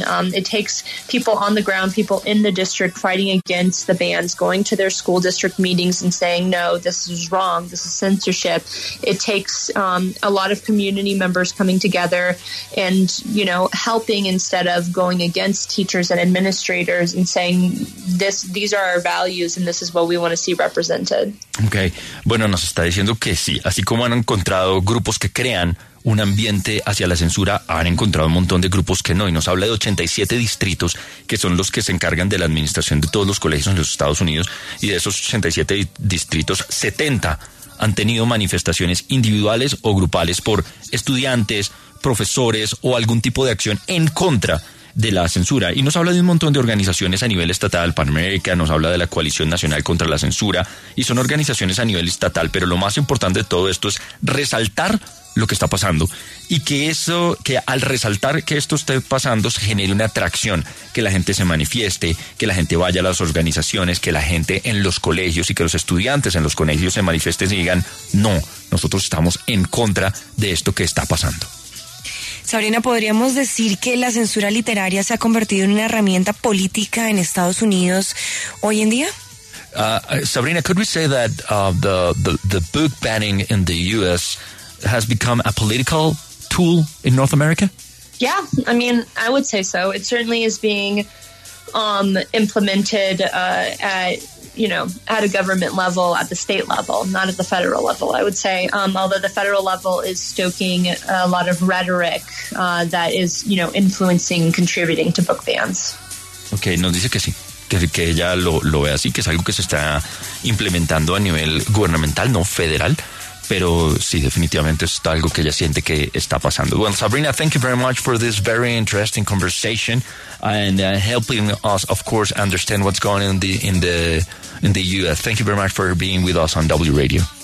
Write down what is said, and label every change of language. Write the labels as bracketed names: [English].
[English] It takes people on the ground, people in the district fighting against the bans, going to their school district meetings and saying, no, this is wrong, this is censorship. It takes a lot of community members coming together and, you know, helping instead of going against teachers and administrators and saying, this, these are our values and this is what we want to see represented. [Spanish] Okay. Bueno, nos está diciendo que sí. Así como han encontrado grupos que crean un ambiente hacia la censura, han encontrado un montón de grupos que no, y nos habla de 87 distritos que son los que se encargan de la administración de todos los colegios en los Estados Unidos, y de esos 87 distritos, 70 han tenido manifestaciones individuales o grupales por estudiantes, profesores o algún tipo de acción en contra de la censura. Y nos habla de un montón de organizaciones a nivel estatal, Panamérica, nos habla de la Coalición Nacional contra la Censura, y son organizaciones a nivel estatal, pero lo más importante de todo esto es resaltar lo que está pasando, y que eso, que al resaltar que esto esté pasando, se genere una atracción, que la gente se manifieste, que la gente vaya a las organizaciones, que la gente en los colegios y que los estudiantes en los colegios se manifiesten y digan, no, nosotros estamos en contra de esto que está pasando. Sabrina, ¿podríamos decir que la censura literaria se ha convertido en una herramienta política en Estados Unidos hoy en día? [English] Sabrina, could we say that the book banning in the U.S. has become a political tool in North America? Yeah, I mean, I would say so. It certainly is being implemented at a government level, at the state level, not at the federal level, I would say. Although the federal level is stoking a lot of rhetoric that is, you know, influencing, contributing to book bans. [Spanish] Okay, nos dice que sí, que ella lo ve así, que es algo que se está implementando a nivel gubernamental, no federal. Pero sí, definitivamente es algo que ella siente que está pasando. [English] Well, Sabrina, thank you very much for this very interesting conversation and helping us, of course, understand what's going on in the U.S. Thank you very much for being with us on W Radio.